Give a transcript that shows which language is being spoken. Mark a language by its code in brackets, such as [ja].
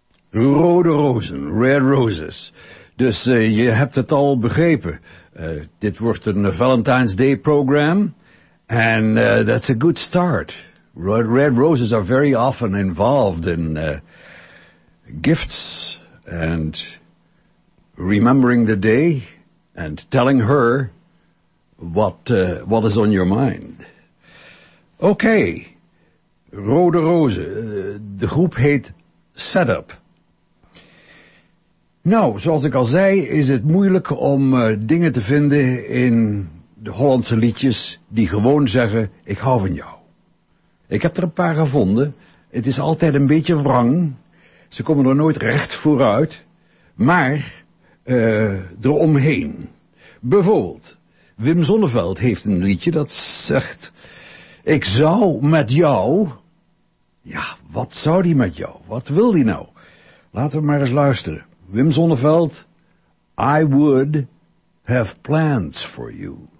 [nl] Rode rozen, [en] red roses. [nl] Dus je hebt het al begrepen. Dit wordt een [en] Valentine's Day program. And that's a good start. Red roses are very often involved in gifts and remembering the day and telling her what is on your mind. [nl] Okay, rode rozen. De groep heet Setup. Nou, zoals ik al zei, is het moeilijk om dingen te vinden in de Hollandse liedjes die gewoon zeggen, ik hou van jou. Ik heb er een paar gevonden. Het is altijd een beetje wrang. Ze komen er nooit recht vooruit. Maar eromheen. Bijvoorbeeld, Wim Zonneveld heeft een liedje dat zegt, ik zou met jou. Ja, wat zou die met jou? Wat wil die nou? Laten we maar eens luisteren. [en] Wim Zonneveld, I would have plans for you.